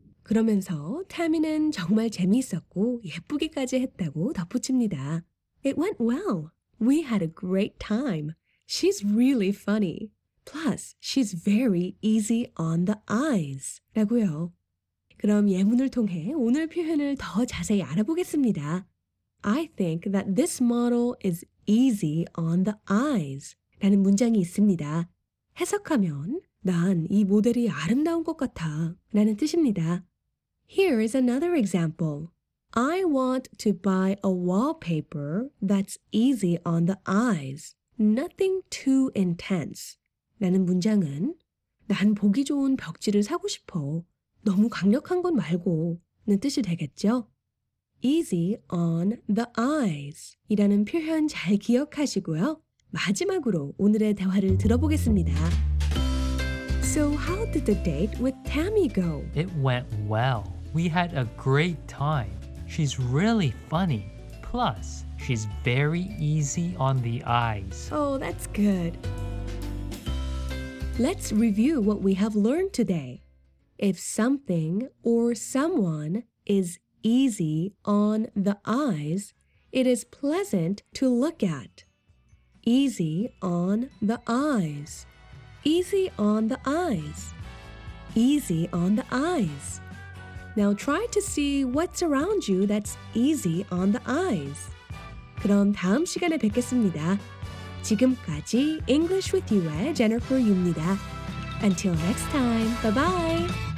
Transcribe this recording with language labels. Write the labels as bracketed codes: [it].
[ko] 그러면서 타미는 정말 재미있었고 예쁘기까지 했다고 덧붙입니다. [en] It went well. We had a great time. She's really funny. Plus, she's very easy on the eyes. [ko] 라고요. 그럼 예문을 통해 오늘 표현을 더 자세히 알아보겠습니다. [en] I think that this model is easy on the eyes. [ko] 라는 문장이 있습니다. 해석하면, 난 이 모델이 아름다운 것 같아. 라는 뜻입니다. [en] Here is another example. I want to buy a wallpaper that's easy on the eyes. Nothing too intense. [ko] 라는 문장은 난 보기 좋은 벽지를 사고 싶어. 너무 강력한 건 말고 는 뜻이 되겠죠? [en] Easy on the eyes [ko] 이라는 표현 잘 기억하시고요. 마지막으로 오늘의 대화를 들어보겠습니다. [en] So how did the date with Tammy go? It went well. We had a great time. She's really funny. Plus, she's very easy on the eyes. Oh, that's good. Let's review what we have learned today. If something or someone is easy on the eyes, it is pleasant to look at. Easy on the eyes. Easy on the eyes. Easy on the eyes. Now try to see what's around you that's easy on the eyes. [ko] 그럼 다음 시간에 뵙겠습니다. 지금까지 English with You의 Jennifer Yu입니다. [en] Until next time, bye-bye!